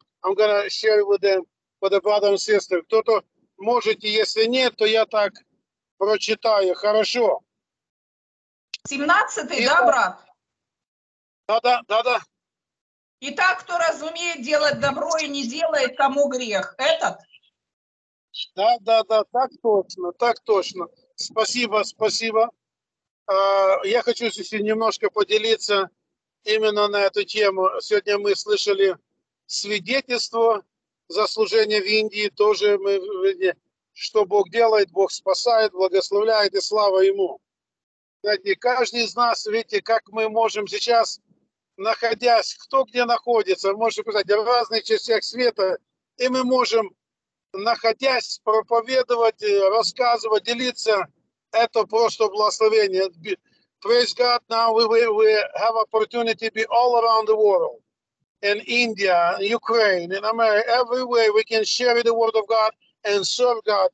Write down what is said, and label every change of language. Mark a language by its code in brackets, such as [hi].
[en] I'm gonna share it with them, with the brother and sister. [ru] Кто-то можете, если нет, то я так прочитаю. Хорошо. 17, да, брат? Да. И так, кто разумеет делать добро и не делает, тому грех. Этот? Да, так точно. Спасибо. Я хочу сегодня немножко поделиться именно на эту тему. Сегодня мы слышали свидетельство за служение в Индии. Тоже мы видим, что Бог делает, Бог спасает, благословляет, и слава Ему. Знаете, каждый из нас, видите, как мы можем сейчас, находясь, кто где находится, можем сказать, в разных частях света, и мы можем, находясь, проповедовать, рассказывать, делиться. Это просто благословение. [en] Praise God, now we have opportunity to be all around the world. In India, Ukraine, in America, everywhere we can share the word of God and serve God.